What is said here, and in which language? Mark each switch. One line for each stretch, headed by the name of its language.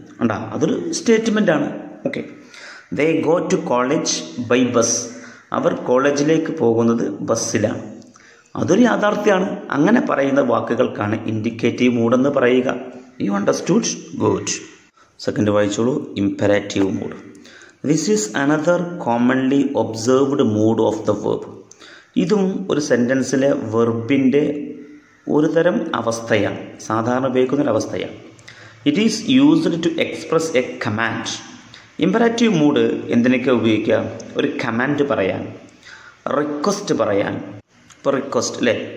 Malayalam: ഉണ്ടാ, അതൊരു സ്റ്റേറ്റ്മെൻ്റ് ആണ്.
English: Okay, they go to college by bus.
Malayalam: അവർ കോളേജിലേക്ക് പോകുന്നത് ബസ്സിലാണ്, അതൊരു യാഥാർത്ഥ്യമാണ്. അങ്ങനെ പറയുന്ന വാക്കുകൾക്കാണ് ഇൻഡിക്കേറ്റീവ് മൂഡെന്ന് പറയുക.
English: You understood? Good. Second
Malayalam: വായിച്ചോളൂ,
English: Imperative mood. This is another commonly observed mood of the verb.
Malayalam: ഇതും ഒരു സെൻറ്റൻസിലെ വെർബിൻ്റെ ഒരു തരം അവസ്ഥയാണ്, സാധാരണ ഉപയോഗിക്കുന്ന ഒരു അവസ്ഥയാണ്.
English: It is used to express a command. Imperative mood
Malayalam: എന്തിനൊക്കെ ഉപയോഗിക്കുക? ഒരു കമാൻഡ് പറയാൻ, റിക്വസ്റ്റ് പറയാൻ, ഇപ്പോൾ റിക്വസ്റ്റ് അല്ലേ.